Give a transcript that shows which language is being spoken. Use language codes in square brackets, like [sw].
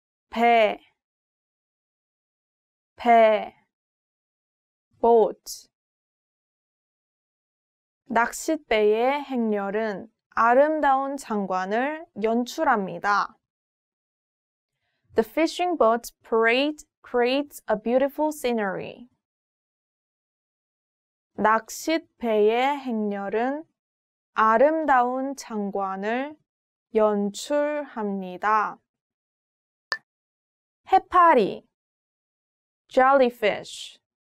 [ko] 배, 배, [en] boat. [ko] 낚싯배의 행렬은 아름다운 장관을 연출합니다. [en] The fishing boat parade creates a beautiful scenery. [ko] 낚싯배의 행렬은 아름다운 장관을 연출합니다. 해파리, [en] jellyfish.